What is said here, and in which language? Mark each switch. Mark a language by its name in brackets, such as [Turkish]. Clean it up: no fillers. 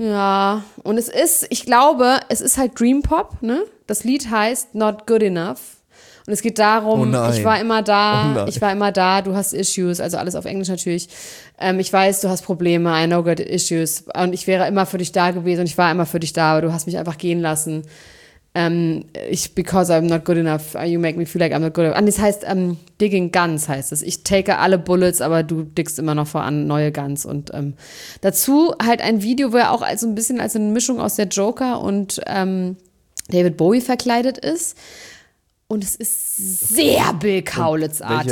[German] Ja, und es ist, ich glaube, es ist halt Dream Pop, ne? Das Lied heißt Not Good Enough. Und es geht darum, ich war immer da, du hast Issues, also alles auf Englisch natürlich. Ich weiß, du hast Probleme, [English] I know got issues. [German] Und ich wäre immer für dich da gewesen und ich war immer für dich da, aber du hast mich einfach gehen lassen. [English] Because I'm not good enough, you make me feel like I'm not good enough. [German] Und das heißt, digging guns heißt es. Ich take alle Bullets, aber du diggst immer noch voran neue Guns. Und dazu halt ein Video, wo er auch so ein bisschen als eine Mischung aus der Joker und David Bowie verkleidet ist. Und es ist sehr Bill Kaulitz-artig.